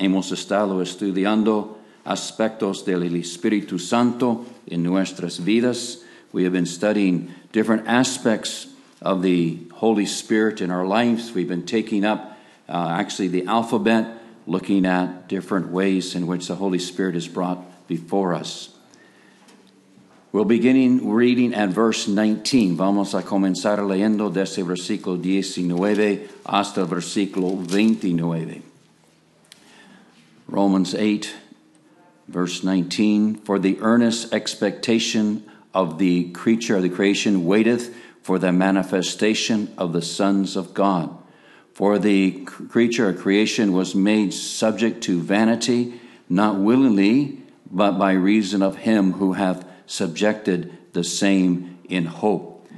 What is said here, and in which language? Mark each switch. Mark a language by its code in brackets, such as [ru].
[es] Hemos estado estudiando aspectos del Espíritu Santo en nuestras vidas. [en] We have been studying different aspects of the Holy Spirit in our lives. We've been taking up actually the alphabet, looking at different ways in which the Holy Spirit is brought before us. We'll begin reading at verse 19. [es] Vamos a comenzar leyendo desde versículo 19 hasta versículo 29. [en] Romans 8, verse 19. For the earnest expectation of the creature of the creation waiteth for the manifestation of the sons of God. For the creature of creation was made subject to vanity, not willingly, but by reason of him who hath subjected the same in hope.